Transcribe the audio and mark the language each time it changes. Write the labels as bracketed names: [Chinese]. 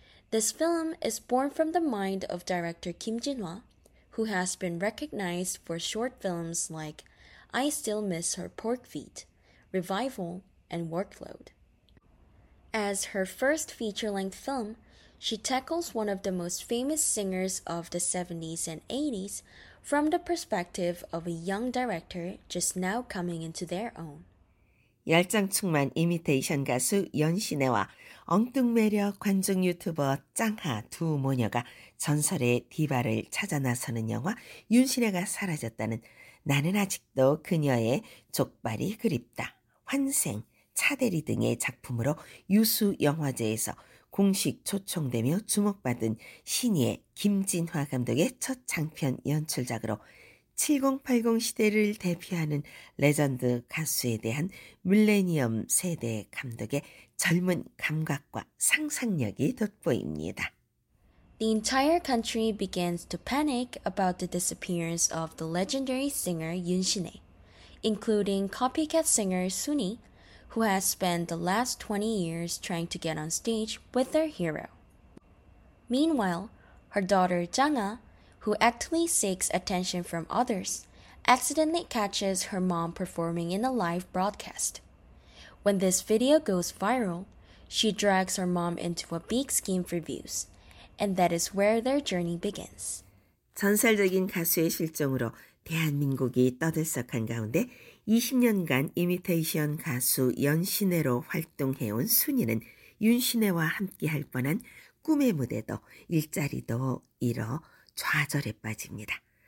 [English] This film is born from the mind of director Kim Jin-hwa, who has been recognized for short films like I Still Miss Her Pork Feet, Revival, and Workload. As her first feature-length film, she tackles one of the most famous singers of the 70s and 80s from the perspective of a young director just now coming into their own. [Korean] 열정충만 이미테이션 가수 연신혜와 엉뚱매력 관중 유튜버 짱하 두 모녀가 전설의 디바를 찾아 나서는 영화 윤신혜가 사라졌다는 나는 아직도 그녀의 족발이 그립다, 환생, 차대리 등의 작품으로 유수 영화제에서 공식 초청되며 주목받은 신예 김진화 감독의 첫 장편 연출작으로 7080 시대를 대표하는 레전드 가수에 대한 밀레니엄 세대 감독의 젊은 감각과 상상력이 돋보입니다. [English] The entire country begins to panic about the disappearance of the legendary singer Yun Shin-hye, including copycat singer Suni, who has spent the last 20 years trying to get on stage with their hero. Meanwhile, her daughter Jang-ha, who actively seeks attention from others, accidentally catches her mom performing in a live broadcast. When this video goes viral, she drags her mom into a big scheme for views, and that is where their journey begins. [Korean] 전설적인 가수의 실종으로 대한민국이 떠들썩한 가운데 20년간 이미테이션 가수 연신혜로 활동해온 순이는 윤신혜와 함께할 뻔한 꿈의 무대도 일자리도 잃어 좌절에 빠집니다.